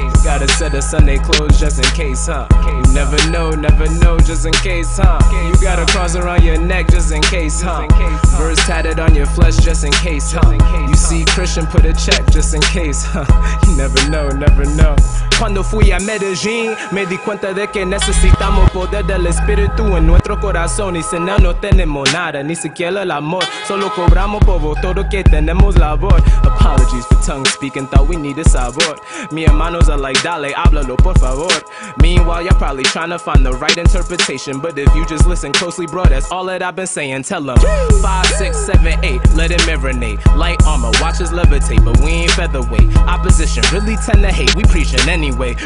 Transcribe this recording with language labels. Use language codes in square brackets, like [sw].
[en] Got a set of Sunday clothes just in case, huh? You never know, never know, just in case, huh? You got a cross around your neck just in case, huh? Verse tatted on your flesh just in case, huh? You see Christian put a check just in case, huh? You never know, never know. [es] Cuando fui a Medellín, me di cuenta de que necesitamos poder del espíritu en nuestro corazón. Y si no, no tenemos nada, ni siquiera el amor. Solo cobramos por todo que tenemos labor. [en] Apologies for tongue speaking, thought we needed sabor. [es] Mi hermanos [en] are like, [es] dale, háblalo, por favor. [en] Meanwhile, y'all probably trying to find the right interpretation. But if you just listen closely, bro, that's all that I've been saying. Tell them 5, 6, 7, 8, let it marinate. Light armor, watch us levitate, but we ain't featherweight. Opposition really tend to hate, we preaching anyway.